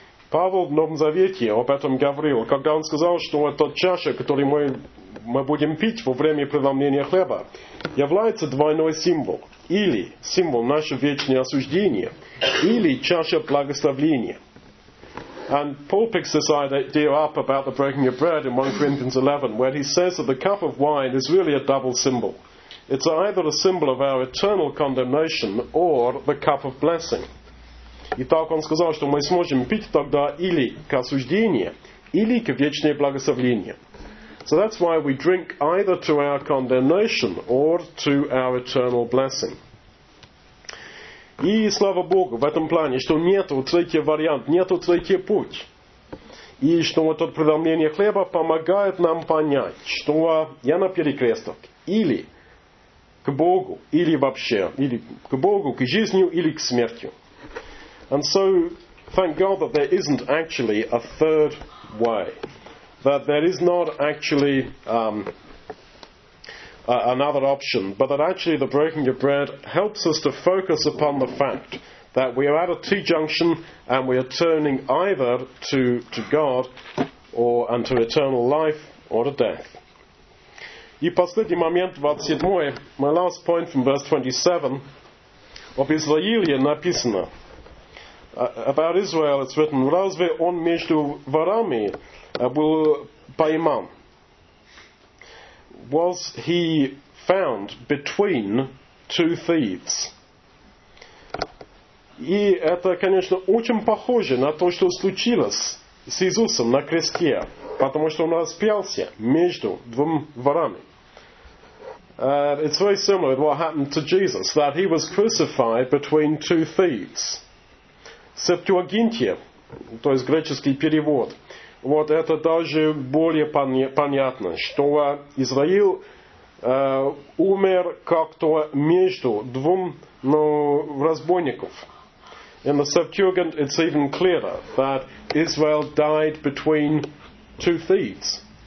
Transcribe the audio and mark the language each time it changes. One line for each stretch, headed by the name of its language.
Russian: Павел в Новом Завете об этом говорил, когда он сказал, что эта чаша, которую мы будем пить во время преломления хлеба, является двойной символ. Или символ нашего вечного осуждения, или чаша благословения.
English: And Paul picks this idea up about the breaking of bread in 1 Corinthians 11, where he says that the cup of wine is really a double symbol. It's either a symbol of our eternal condemnation or the cup of blessing.
Russian: И так он сказал, что мы сможем пить тогда или к осуждению, или к вечному благословению.
English: So that's why we drink either to our condemnation or to our eternal blessing.
Russian: И слава Богу в этом плане, что нету третьего варианта, нету третьего пути. И что вот это преломление хлеба помогает нам понять, что я на перекресток. Или к Богу, или вообще, или к Богу, к жизни, или к смерти.
English: And so, thank God that there isn't actually a third way. That there is not actually another option, but that actually the breaking of bread helps us to focus upon the fact that we are at a T-junction and we are turning either to God or unto eternal life or to death.
Russian: И последний момент, 27,
English: my last point from verse 27,
Russian: об Израиле написано.
English: About Israel it's written,
Russian: «Разве он между ворами был пойман?»
English: Was he found between two thieves?
Russian: И это, конечно, очень похоже на то, что случилось с Иисусом на кресте, потому что он распялся между двумя ворами.
English: It's very similar to what happened to Jesus, that he was crucified between two thieves.
Russian: Септуагинтия, то есть греческий перевод, вот это даже более понятно, что Израил умер как-то между двум разбойников.
English: In the Septuagint it's even clearer that Israel died between two thieves.